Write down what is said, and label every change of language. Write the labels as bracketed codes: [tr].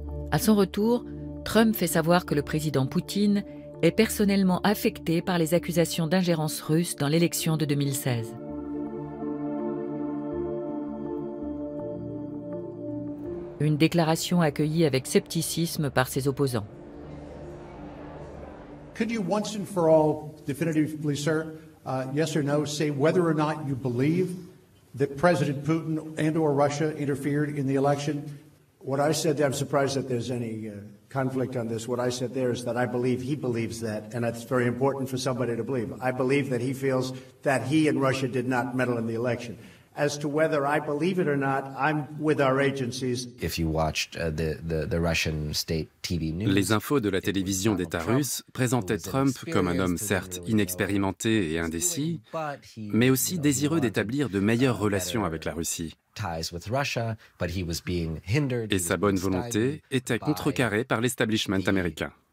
[fr] À son retour, Trump fait savoir que le président Poutine est personnellement affecté par les accusations d'ingérence russe dans l'élection de 2016. Une déclaration accueillie avec scepticisme par ses opposants. [en] Could you once and for all definitively, sir, yes or no, say whether or not you believe that President Putin and or Russia interfered in the election? What I said there, I'm surprised that there's any conflict on this. What I said there is that I believe he believes that, and that's very important for somebody to believe. I believe that he feels that he and Russia did not meddle in the election. As to whether I believe it or not, I'm with our agencies. If you watched the Russian state TV news, [fr] les infos de la télévision d'État russe présentaient Trump comme un homme certes inexpérimenté et indécis, mais aussi désireux d'établir de meilleures relations avec la Russie. Et sa bonne volonté était contrecarrée par l'establishment américain.